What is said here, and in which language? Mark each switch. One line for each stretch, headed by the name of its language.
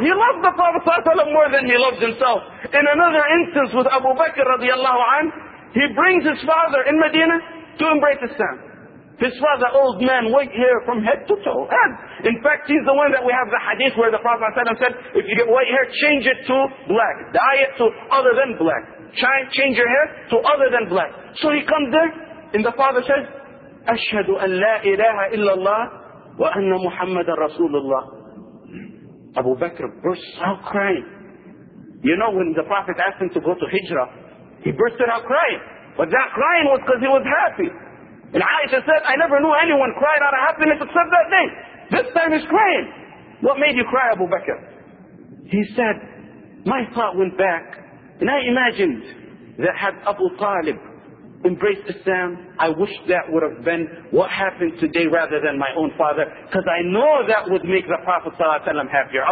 English: He loved the Prophet sallallahu alayhi wa sallam more than he loved himself. In another instance with Abu Bakr radiallahu anhu, he brings his father in Medina to embrace Islam. His father, old man, white hair from head to toe. And in fact, he's the one that we have the hadith where the Prophet sallallahu alayhi wa sallam said, if you get white hair, change it to black. Dye it to other than black. Change your hair to other than black. So he comes there. And the father says,
Arabic: أَشْهَدُ أَنْ لَا إِلَهَ إِلَّا اللَّهِ وَأَنَّ مُحَمَّدَ رَسُولُ اللَّهِ.
English: Abu Bakr bursts out crying. You know when the Prophet asked him to go to Hijrah, he bursted out crying. But that crying was because he was happy. And Aisha said, I never knew anyone cried out of happiness except that day. This time he's crying. What made you cry, Abu Bakr? He said, my thought went back, and I imagined that had Abu Talib embrace Islam, I wish that would have been what happened today rather than my own father, because I know that would make the Prophet sallallahu alayhi wa sallam happier.